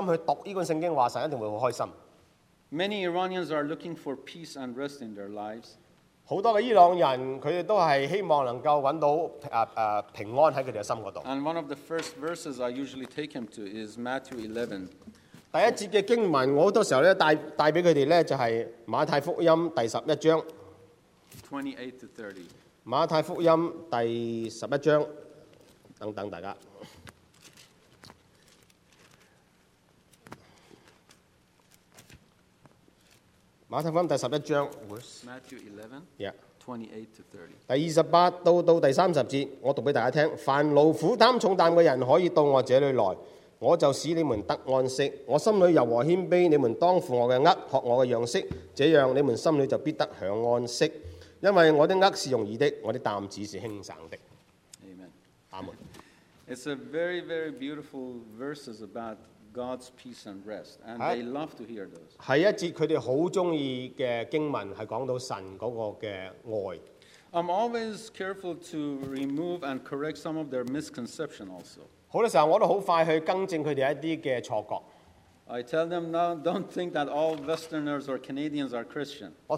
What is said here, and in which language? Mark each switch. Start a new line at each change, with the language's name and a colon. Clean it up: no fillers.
Chinese: 所以神一定會,見到我這麼用心去讀這本聖經,神一定會很開心。
English: Many Iranians are looking for peace and rest in their lives.
Chinese: 很多的伊朗人,他們都是希望能夠找到平安在他們的心裡。
English: And one of the first verses I usually take him to is Matthew 11.
Chinese: 第一節的經文,我很多時候帶給他們就是馬太福音第十一章
English: 28-30
Chinese: 馬太福音第十一章 等等大家 馬太福音第十一章
English: Matthew 11 yeah. 28-30
Chinese: 第28到第30節,我讀給大家聽 凡勞苦擔重擔的人可以到我這裡來 我就使你們得安息,我心裡柔和謙卑,你們當負我的轭,學我的樣式,這樣你們心裡就必得享安息,因為我的轭是容易的,我的擔子是輕省的。Amen.
English: It's a very, very beautiful verses about God's peace and rest, and they love to hear those.
Chinese: 是一節他們很喜歡的經文,是講到神的愛。
English: I'm always careful to remove and correct some of their misconception also.
Chinese: 很多時候我都很快去更正他們一些錯覺。
English: I tell them, no, don't think that all Westerners or Canadians are Christian.